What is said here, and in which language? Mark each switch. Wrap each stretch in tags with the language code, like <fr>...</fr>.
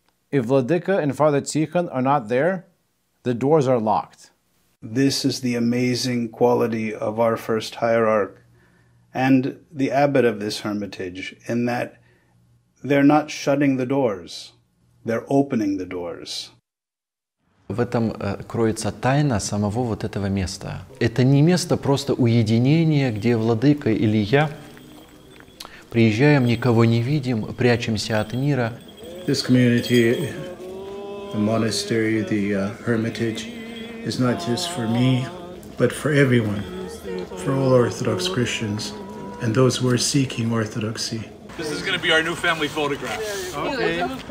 <en>If Vladyka and Father Tikhon are not there, the doors are locked. This is the amazing quality of our first hierarch and the abbot of this hermitage, in that they're not shutting the doors, they're opening the doors.</en> <ru>В этом кроется тайна самого вот этого места. Это не место просто уединения, где владыка или я приезжаем, никого не видим, прячемся от мира.</ru> <en>This community, the monastery, the hermitage, is not just for me, but for everyone, for all Orthodox Christians and those who are seeking Orthodoxy. This is going to be our new family photograph. Okay.</en>